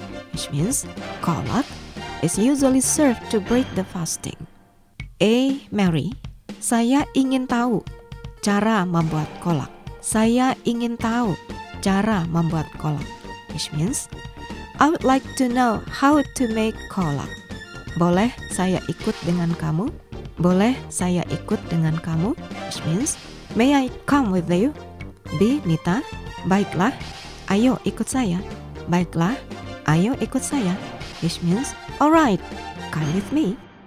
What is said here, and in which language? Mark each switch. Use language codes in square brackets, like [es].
[en] Which means, kolak is usually served to break the fasting. A. [id] Mary, saya ingin tahu cara membuat kolak. Saya ingin tahu cara membuat kolak, [en] which means, I would like to know how to make kolak. [id] Boleh saya ikut dengan kamu? Boleh saya ikut dengan kamu? [en] Which means, may I come with you? B, Nita, [id] baiklah, ayo ikut saya. Baiklah, ayo ikut saya. [en] Which means, alright, come with me.